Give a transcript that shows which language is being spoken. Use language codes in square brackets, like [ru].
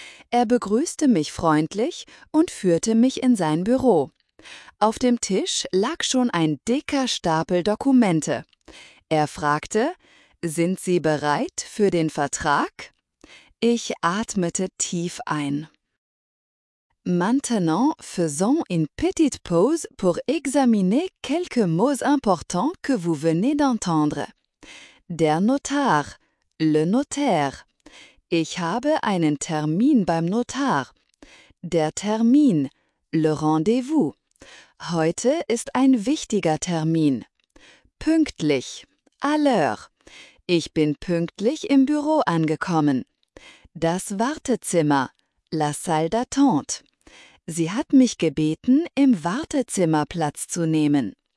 [de] Er begrüßte mich freundlich und führte mich in sein Büro. Auf dem Tisch lag schon ein dicker Stapel Dokumente. Er fragte: "Sind Sie bereit für den Vertrag?" Ich atmete tief ein. [fr] Maintenant, faisons une petite pause pour examiner quelques mots importants que vous venez d'entendre. [de] Der Notar, [fr] le notaire. [de] Ich habe einen Termin beim Notar. Der Termin, [fr] le rendez-vous. [de] Heute ist ein wichtiger Termin. Pünktlich, [fr] à l'heure. [de] Ich bin pünktlich im Büro angekommen. Das Wartezimmer, [fr] la salle d'attente. [de] Sie hat mich gebeten, im Wartezimmer Platz zu nehmen.